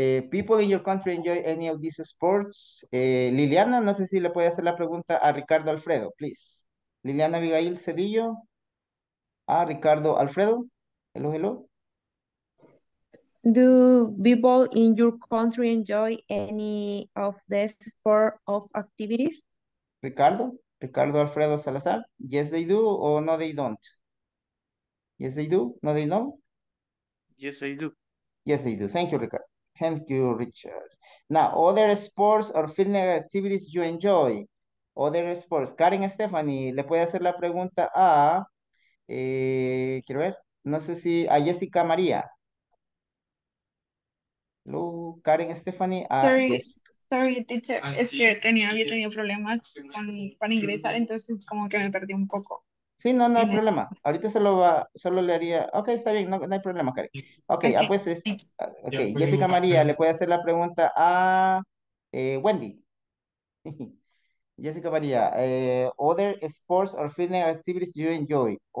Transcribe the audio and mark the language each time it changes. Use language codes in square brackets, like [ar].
[en] People in your country enjoy any of these sports? [es] Liliana, no sé si le puede hacer la pregunta a Ricardo Alfredo, please. [en] Liliana Abigail Cedillo. Ricardo Alfredo. Hello. Do people in your country enjoy any of these sport of activities? Ricardo Alfredo Salazar. Yes, they do or no, they don't. Yes, they do. No, they don't. Yes, they do. Yes, they do. Thank you, Ricardo. Thank you, Richard. Now, other sports or fitness activities you enjoy? Other sports. [es] Karen Stephanie, le puede hacer la pregunta a, quiero ver, no sé si, a Jessica María. [en] Hello, Karen Stephanie. Sorry, teacher. [es] Es que yo tenía problemas para ingresar, entonces como que me perdí un poco. Sí, no hay problema. Ahorita solo le haría. Ok, está bien, no hay problema, Karen. Okay, okay. Okay. Yeah, Jessica María, le puede hacer la pregunta a Wendy. [en] Jessica María, other sports or fitness activities you enjoy?